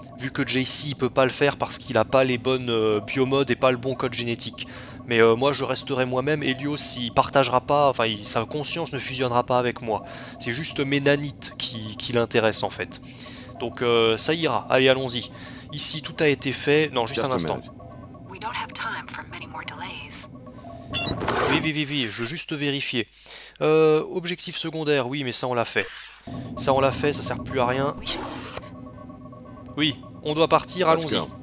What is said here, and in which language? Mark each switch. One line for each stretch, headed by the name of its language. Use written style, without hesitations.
French: Vu que JC ne peut pas le faire parce qu'il n'a pas les bonnes biomodes et pas le bon code génétique. Mais moi, je resterai moi-même. Hélios, il partagera pas, enfin, sa conscience ne fusionnera pas avec moi. C'est juste mes nanites qui l'intéressent, en fait. Donc, ça ira. Allez, allons-y. Ici, tout a été fait. Non, juste un instant.
English: We don't have time for many more delays.
French: Oui, oui, oui, oui, je veux juste vérifier. Objectif secondaire, oui, mais ça, on l'a fait. Ça, on l'a fait, ça sert plus à rien. Oui, on doit partir, allons-y.